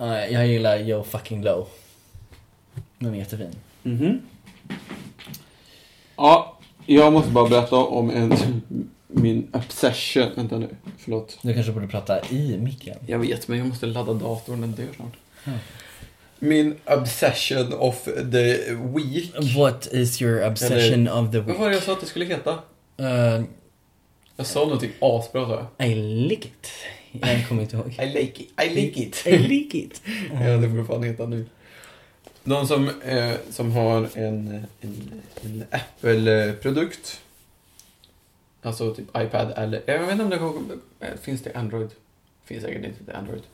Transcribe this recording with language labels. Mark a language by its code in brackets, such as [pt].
[sv] Jag gillar Yo Fucking Low. Den är jättefin. Mm-hmm. Ja, jag måste bara berätta om en, min obsession. Vänta nu, förlåt. Du kanske borde prata i micken. Jag vet, men jag måste ladda datorn, den dör snart. Mm. Min obsession [en] of the week. What is your obsession [sv] eller, [en] of the week? [sv] Vad var det jag sa att det skulle heta? Jag sa någonting asbra, sa jag. [en] I like it. [sv] Jag kommer inte ihåg. [en] I like it. I like it. [sv] Ja, det får fan heta nu. De som har en Apple-produkt, alltså typ iPad eller, jag vet inte om det kommer, finns det Android? Finns säkert inte det, Android.